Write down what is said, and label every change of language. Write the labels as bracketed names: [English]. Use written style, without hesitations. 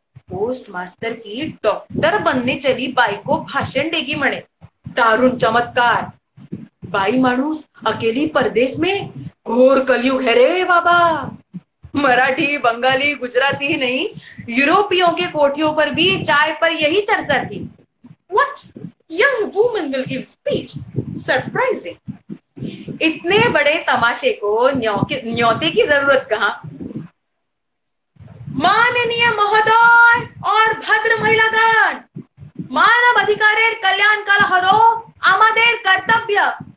[Hindi] Post master की doctor बनने चली बाई को भाषण देगी मणे, दारुण चमत्कार। बाई मानूस अकेली परदेश में, घोर कलयुग है रे बाबा। मराठी, बंगाली, गुजराती ही नहीं, यूरोपियों के कोठियों पर भी चाय पर यही चर्चा थी। [English] What? Young woman will give speech. Surprising. [Hindi] इतने बड़े तमाशे को न्योते की जरूरत कहां? माननीय महोदय और भद्र महिलागण, मानव अधिकार कल्याण [Bangla] कल हरो आमादेर कर्तव्य।